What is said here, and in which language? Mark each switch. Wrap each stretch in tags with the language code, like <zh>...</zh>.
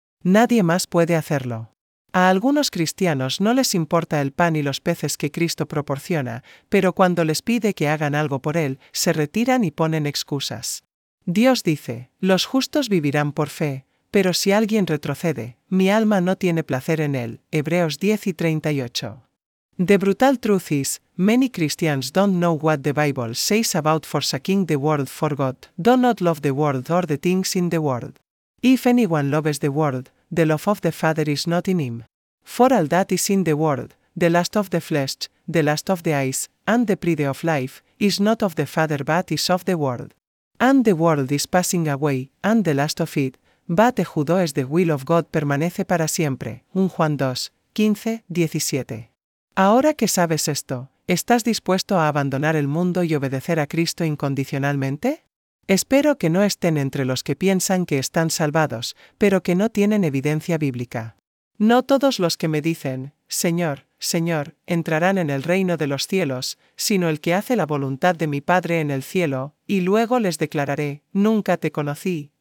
<es>Nadie más puede hacerlo. A algunos cristianos no les importa el pan y los peces que Cristo proporciona, pero cuando les pide que hagan algo por Él, se retiran y ponen excusas. Dios dice, «Los justos vivirán por fe». Pero si alguien retrocede, mi alma no tiene placer en él, Hebreos 10:38.</es> <en>The brutal truth is, many Christians don't know what the Bible says about forsaking the world for God, do not love the world or the things in the world. If anyone loves the world, the love of the Father is not in him. For all that is in the world, the lust of the flesh, the lust of the eyes, and the pride of life, is not of the Father but is of the world. And the world is passing away, and the lust of it, but the who does the will of God</en> <es>permanece para siempre,</es> <en>1 Juan 2:15-17.</en> <es>Ahora que sabes esto, ¿estás dispuesto a abandonar el mundo y obedecer a Cristo incondicionalmente? Espero que no estén entre los que piensan que están salvados, pero que no tienen evidencia bíblica. No todos los que me dicen, Señor, Señor, entrarán en el reino de los cielos, sino el que hace la voluntad de mi Padre en el cielo, y luego les declararé, nunca te conocí.</es>